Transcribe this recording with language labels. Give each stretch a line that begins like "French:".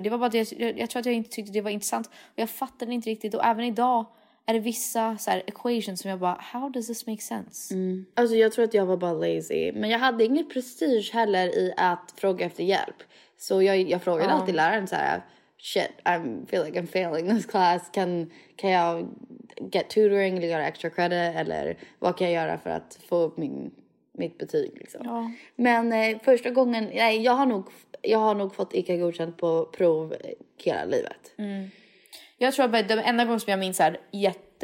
Swedish: Det var bara det, jag tror att jag inte tyckte det var intressant. Och jag fattade inte riktigt. Och även idag... Är det vissa så här, equations som jag bara...
English: How does this make sense? Mm.
Swedish: Alltså jag tror att jag var bara lazy. Men jag hade ingen prestige heller i att fråga efter hjälp. Så jag frågade alltid läraren så här...
English: Shit, I feel like I'm failing this class.
Swedish: Kan jag
English: get tutoring
Swedish: eller göra
English: extra credit?
Swedish: Eller vad kan jag göra för att få upp mitt betyg? Liksom? Ja. Men första gången... Nej, jag har nog fått icke godkänt på prov hela livet. Mm. Jag tror att den enda gången som jag minns är jättestarkt.